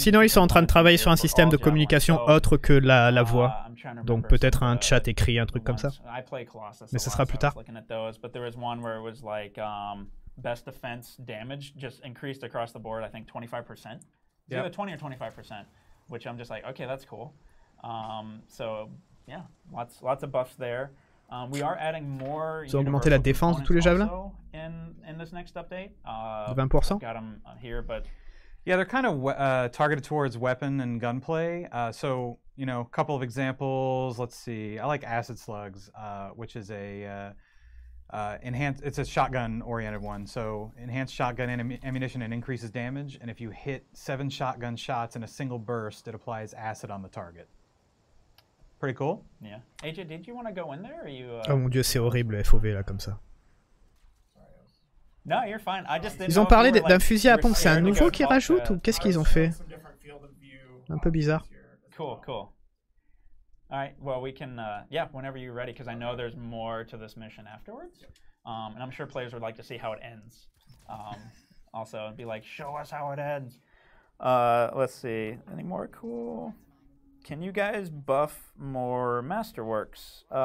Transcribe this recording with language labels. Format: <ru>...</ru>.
<fr>Sinon, ils sont en train de travailler sur un système de communication autre que la voix. Donc peut-être un chat écrit, un truc comme ça. Mais ce sera plus tard.</fr> <en>But there was one where it was like best defense damage just increased across the board, I think 25%. It's either 20 or 25%, which I'm just like, okay, that's cool. So yeah, lots of buffs there. We are adding more.</en> <fr>Ils ont augmenté la défense de tous les javelins.</fr> <en>In this next update. 20%. Got them here, but yeah, they're kind of targeted towards weapon and gunplay. So you know, a couple of examples. Let's see. I like acid slugs, which is a enhanced. It's a shotgun-oriented one. So enhanced shotgun ammunition and increases damage. And if you hit 7 shotgun shots in a single burst, it applies acid on the target. Pretty cool. Yeah. AJ, did you want to go in there? Or are you?</en> <fr>Oh mon dieu, c'est horrible, FOV là comme ça.</fr> <en>No, you're fine. I just</en> <fr>ils ont parlé d'un like, fusil à pompe. C'est un nouveau qu'ils rajoutent ou qu'est-ce qu'ils ont fait? Un peu bizarre.</fr> <en>Cool. All right. Well, we can. Yeah, whenever you're ready, because I know there's more to this mission afterwards. And I'm sure players would like to see how it ends. Also, be like, show us how it ends. Let's see. Any more cool? Can you guys buff more masterworks?</en>